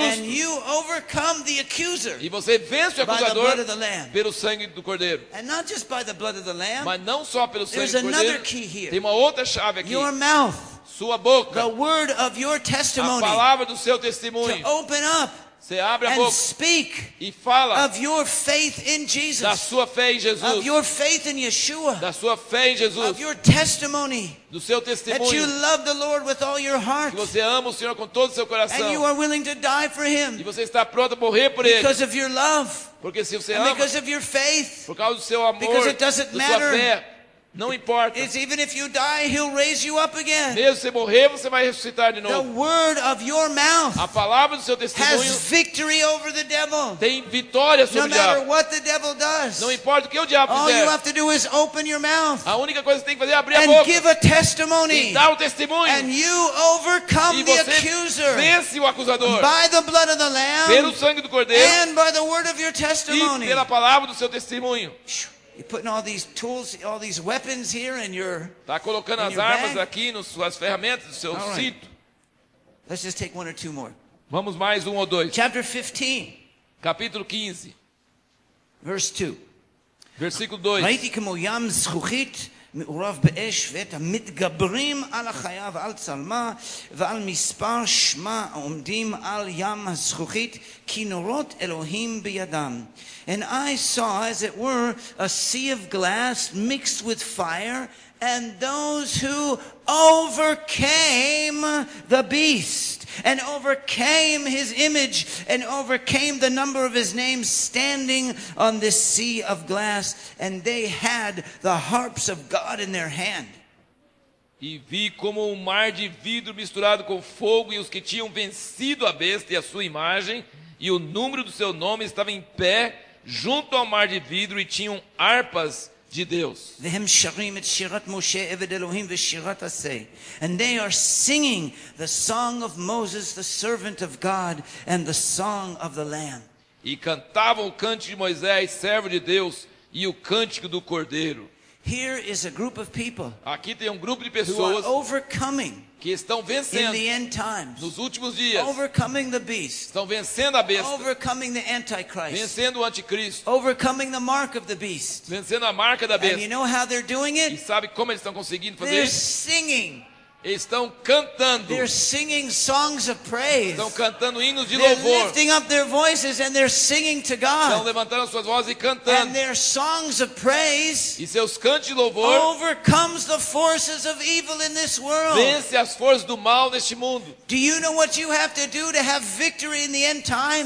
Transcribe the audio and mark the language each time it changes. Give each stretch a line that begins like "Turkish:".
English: And you overcome the accuser.
Portuguese: E você vence o acusador pelo sangue do cordeiro.
English: And not just by the blood of the lamb.
Portuguese: Mas não só pelo sangue
English: There's
Portuguese: do cordeiro.
English: Another key here.
Portuguese: Tem uma outra chave aqui.
English: Your mouth.
Portuguese: Sua boca.
English: The word of your testimony.
Portuguese: A palavra do seu testemunho.
English: To open up.
Portuguese: Você abre a
English: and
Portuguese: boca
English: speak
Portuguese: e fala
English: of your faith in Jesus,
Portuguese: da sua fé em Jesus,
English: of your faith in Yeshua,
Portuguese: da sua fé em Jesus,
English: of your testimony,
Portuguese: do seu testemunho,
English: that you love the Lord with all your heart,
Portuguese: que você ama o Senhor com todo o seu coração,
English: and you are willing to die for him,
Portuguese: e você está pronto a morrer por
English: because
Portuguese: ele,
English: because of your love,
Portuguese: porque se você
English: and
Portuguese: ama,
English: because of your faith,
Portuguese: por causa do seu amor,
English: because it doesn't matter,
Portuguese: da sua fé. Não importa.
English: It's even if you die, he'll raise you up again.
Portuguese: Mesmo se morrer, você vai ressuscitar de novo.
English: The word of your mouth,
Portuguese: a palavra do seu testemunho,
English: has victory over the devil.
Portuguese: Tem vitória sobre
English: no
Portuguese: o diabo.
English: Matter what the devil does,
Portuguese: não importa o que o diabo
English: all
Portuguese: fizer.
English: You have to do is open your mouth,
Portuguese: a única coisa que você tem que fazer é abrir
English: and
Portuguese: a boca.
English: Give a testimony,
Portuguese: e dar o testemunho.
English: And you overcome
Portuguese: e você
English: the accuser,
Portuguese: vence o acusador.
English: By the blood of the lamb,
Portuguese: pelo sangue do cordeiro.
English: And by the word of your testimony,
Portuguese: e pela palavra do seu testemunho.
English: You're putting all these tools, all these weapons here in your
Portuguese: tá colocando
English: in
Portuguese: as
English: your
Portuguese: armas
English: bag?
Portuguese: Aqui nas suas ferramentas, no seu
English: right.
Portuguese: cinto.
English: Let's just take one or two more.
Portuguese: Vamos mais um ou dois.
English: Chapter 15.
Portuguese: Capítulo 15.
English: Verse 2.
Hebrew: ראיתי כמו ים זכוכית מעורב באש ואת המתגברים על החיה ועל צלמה ועל מספר שמה עומדים על ים הזכוכית כנורות אלוהים בידם.
English: And I saw, as it were, a sea of glass mixed with fire, and those who overcame the beast, and overcame his image, and overcame the number of his name standing on this sea of glass, and they had the harps of God in their hand.
Portuguese: E vi como um mar de vidro misturado com fogo, e os que tinham vencido a besta e a sua imagem, e o número do seu nome estava em pé, junto ao mar de vidro e tinham harpas de Deus.
Hebrew: והם שרים את שירת משה עבד אלוהים ושירת עשה.
English: And they are singing the song of Moses, the servant of God, and the song of the Lamb.
Portuguese: E cantavam o cântico de Moisés, servo de Deus, e o cântico do Cordeiro.
English: Here is a group of people.
Portuguese: Aqui tem um grupo de pessoas
English: overcoming.
Portuguese: Que estão vencendo
English: in the end times,
Portuguese: nos últimos dias,
English: overcoming the beast,
Portuguese: estão vencendo a besta,
English: overcoming the antichrist,
Portuguese: vencendo o anticristo,
English: overcoming the mark of the beast,
Portuguese: vencendo a marca da besta.
English: And you know how they're doing it?
Portuguese: E sabe como eles estão conseguindo fazer?
English: They're singing.
Portuguese: Estão cantando.
English: They're singing songs of praise.
Portuguese: Estão cantando hinos de
English: they're
Portuguese: louvor.
English: Lifting up their voices and they're singing to God.
Portuguese: Estão levantando suas vozes e cantando.
English: And their songs of praise
Portuguese: e seus cantos de louvor
English: overcomes the forces of evil in this world.
Portuguese: Vence as forças do mal neste mundo.
English: Do you know what you have to do to have victory in the end times?